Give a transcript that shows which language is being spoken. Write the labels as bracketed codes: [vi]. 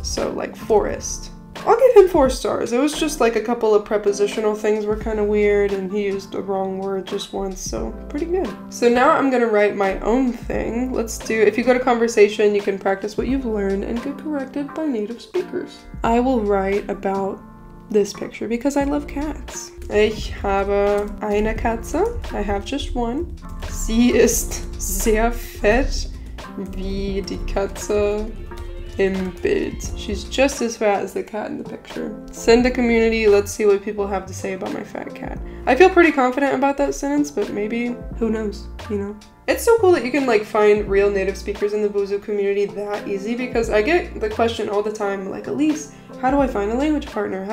[en] So like forest. I'll give him 4 stars. It was just like a couple of prepositional things were kind of weird and he used the wrong word just once, so pretty good. So now I'm gonna write my own thing. Let's do, if you go to conversation, you can practice what you've learned and get corrected by native speakers. I will write about this picture because I love cats. [de] Ich habe eine Katze. [en] I have just one. [de] Sie ist sehr fett wie die Katze in bits. [en] She's just as fat as the cat in the picture. Send a community, let's see what people have to say about my fat cat. I feel pretty confident about that sentence, but maybe, who knows, you know? It's so cool that you can like find real native speakers in the Busuu community that easy, because I get the question all the time, like, Elise, how do I find a language partner?